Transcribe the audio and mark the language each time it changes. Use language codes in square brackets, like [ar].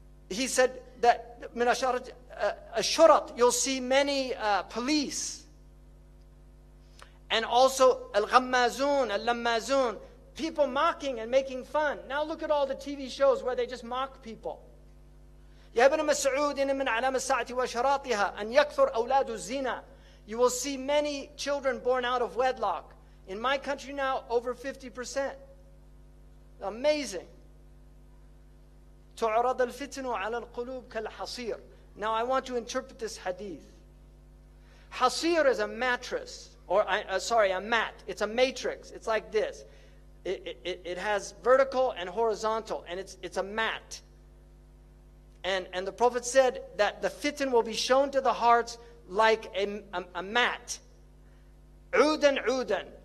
[en] He said that من الشرط, you'll see many police. And also الغمازون, اللمازون, people mocking and making fun. Now look at all the TV shows where they just mock people. [ar] يا ابن مسعود إن من علام الساعة وشراطها أن يكثر أولاد الزنا. [en] You will see many children born out of wedlock. In my country now, over 50%. Amazing. [ar] تعرض الفتن على القلوب كالحصير. [en] Now I want to interpret this hadith. Hasir is a mattress, a mat. It's a matrix. It's like this. It has vertical and horizontal, and it's a mat. And the Prophet said that the fitan will be shown to the hearts like a mat. Udan, udan.